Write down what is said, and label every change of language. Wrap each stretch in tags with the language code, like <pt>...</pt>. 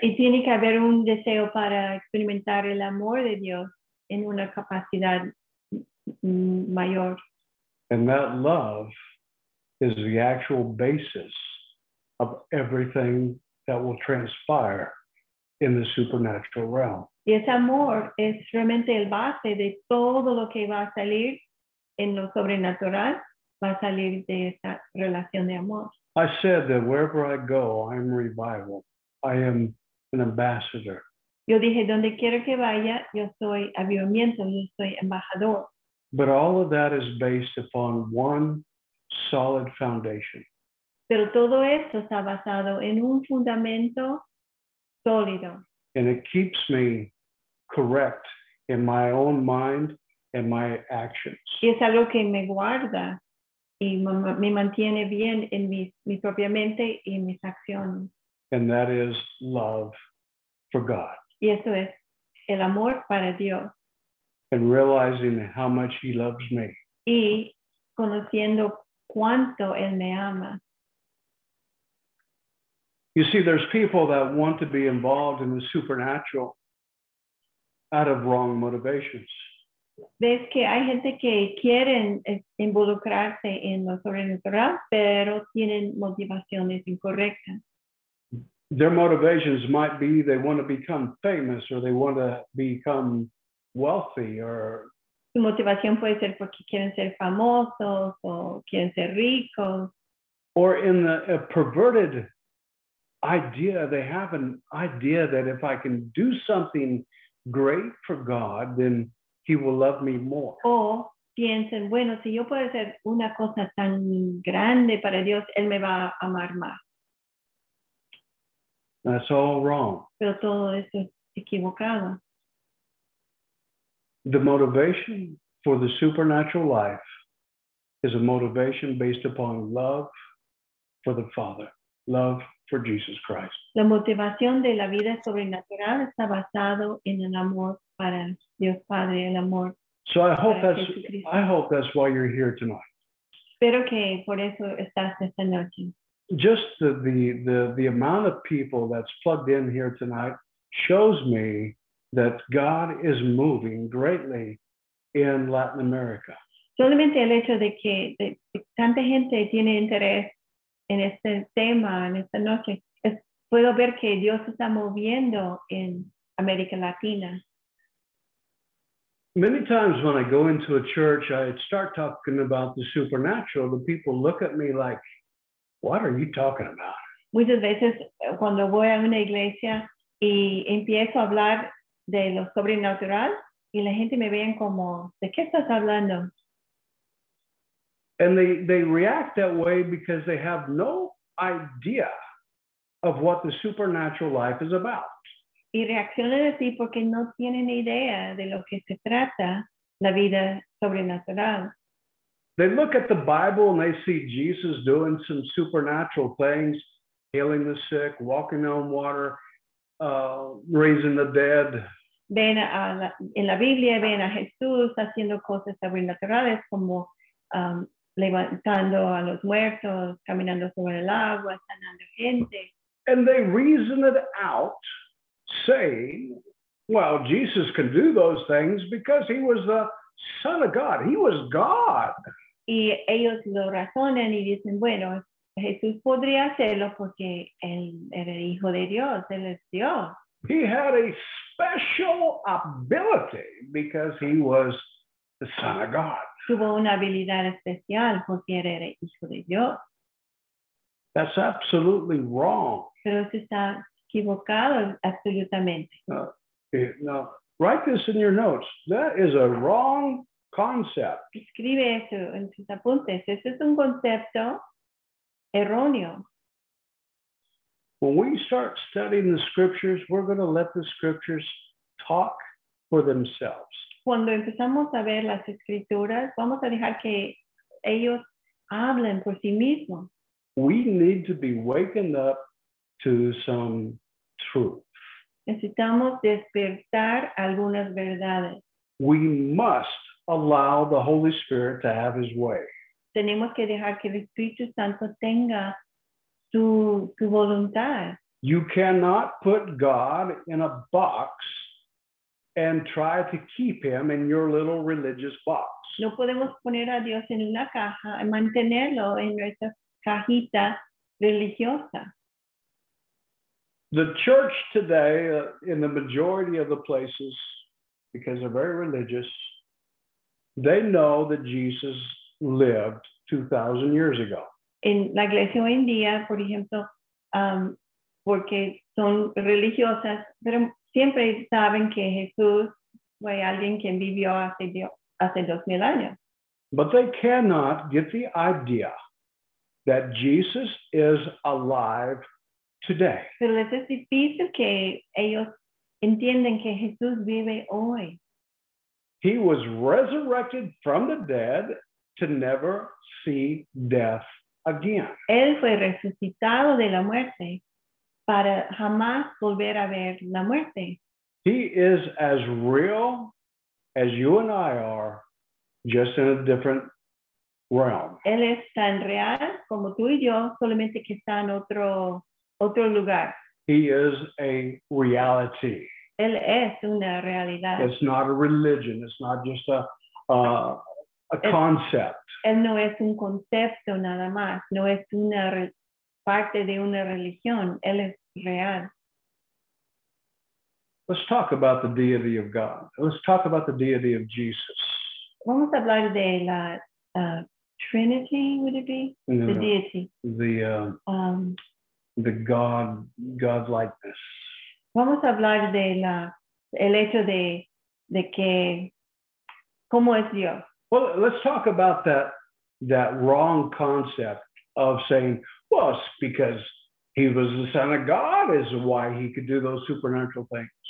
<es>Y tiene que haber un deseo para experimentar el amor de Dios en una capacidad mayor.</es> <en>And that love is the actual basis of everything that will transpire in the supernatural realm.</en> <es>Y ese amor es realmente el base de todo lo que va a salir en lo sobrenatural, va a salir de esa relación de amor.</es> <en>I said that wherever I go, I am revival. I am an ambassador.</en> <es>Yo dije, donde quiera que vaya, yo soy avivamiento, yo soy embajador.</es> <en>But all of that is based upon one solid foundation.</en> <es>Pero todo eso está basado en un fundamento sólido.</es> <en>And it keeps me correct in my own mind and my actions.</en> <es>Y es algo que me guarda y me mantiene bien en mi propia mente y mis acciones.</es> <en>And that is love for God.</en> <es>Y eso es el amor para Dios.</es> <en>And realizing how much he loves me.</en> <es>Y conociendo cuánto él me ama.</es> <en>You see, there's people that want to be involved in the supernatural out of wrong motivations.</en> <es>Ves que hay gente que quieren involucrarse en lo sobrenatural, pero tienen motivaciones incorrectas.</es> <en>Their motivations might be they want to become famous or they want to become wealthy or...</en> <es>Su motivación puede ser porque quieren ser famosos o quieren ser ricos.</es> <en>Or in a perverted idea, they have an idea that if I can do something great for God, then he will love me more.</en> <es>O piensen, bueno, si yo puedo hacer una cosa tan grande para Dios, él me va a amar más.</es> <en>That's all wrong.</en> <es>Pero todo eso es equivocado.</es> <en>The motivation for the supernatural life is a motivation based upon love for the Father, love for Jesus Christ.</en> <es>La motivación de la vida sobrenatural está basado en el amor para Dios Padre, el amor.</es> <en>So I hope that's why you're here tonight.</en> <es>Espero que por eso estás esta noche.</es> <en>Just the amount of people that's plugged in here tonight shows me that God is moving greatly in Latin America.</en> <es>Solamente el hecho de que tanta gente tiene interés en este tema en esta noche, puedo ver que Dios está moviendo en América Latina.</es> <en>Many times when I go into a church, I start talking about the supernatural. The people look at me like, what are you talking about?</en> <es>Muchas veces cuando voy a una iglesia y empiezo a hablar de lo sobrenatural y la gente me ven como, ¿de qué estás hablando?</es> <en>And they react that way because they have no idea of what the supernatural life is about.</en> <es>Y reaccionan así porque no tienen idea de lo que se trata la vida sobrenatural.</es> <en>They look at the Bible and they see Jesus doing some supernatural things, healing the sick, walking on water, raising the dead.</en> <es>Ven en la Biblia, ven a Jesús haciendo cosas sobrenaturales como levantando a los muertos, caminando sobre el agua, sanando gente.</es> <en>And they reason it out, saying, well, Jesus can do those things because he was the Son of God. He was God.</en> <es>Y ellos lo razonan y dicen, bueno, Jesús podría hacerlo porque él era el Hijo de Dios, él es Dios.</es> <en>He had a special ability because he was the Son of God.</en> <es>Tuvo una habilidad especial porque él era Hijo de Dios.</es> <en>That's absolutely wrong.</en> <es>Pero eso está equivocado absolutamente.</es> <en>Now, write this in your notes. That is a wrong concept.</en> <es>Escribe eso en tus apuntes. Ese es un concepto erróneo.</es> <en>When we start studying the scriptures, we're going to let the scriptures talk for themselves.</en> <es>Cuando empezamos a ver las escrituras, vamos a dejar que ellos hablen por sí mismos.</es> <en>We need to be wakened up to some truth.</en> <es>Necesitamos despertar algunas verdades.</es> <en>we must allow the Holy Spirit to have his way.</en> <es>Tenemos que dejar que el Espíritu Santo tenga su voluntad.</es> <en>You cannot put God in a box and try to keep him in your little religious box.</en> <es>No podemos poner a Dios en una caja y mantenerlo en nuestra cajita religiosa.</es> <en>The church today, in the majority of the places, because they're very religious, they know that Jesus lived 2,000 years ago.</en> <es>En la iglesia hoy en día, por ejemplo, porque son religiosas, pero siempre saben que Jesús fue alguien quien vivió hace 2,000 años.</es> <en>But they cannot get the idea that Jesus is alive today.</en> <es>Pero les es difícil que ellos entiendan que Jesús vive hoy.</es> <en>He was resurrected from the dead to never see death again.</en> <es>Él fue resucitado de la muerte para jamás volver a ver la muerte.</es> <en>He is as real as you and I are, just in a different realm.</en> <es>Él es tan real como tú y yo, solamente que está en otro lugar.</es> <en>He is a reality.</en> <es>Él es una realidad.</es> <en>It's not a religion. It's not just a concept.</en> <es>Él no es un concepto nada más. No es una parte de una religión. Él es real.</es> <en>Let's talk about the deity of God. Let's talk about the deity of Jesus.</en> <es>Vamos a hablar de la Trinity,</es> <en>would it be? No, the deity. The God likeness.</en> <es>Vamos a hablar de la el hecho de que cómo es Dios.</es> <en>Well, let's talk about that wrong concept of saying, well, it's because he was the Son of God is why he could do those supernatural things.</en>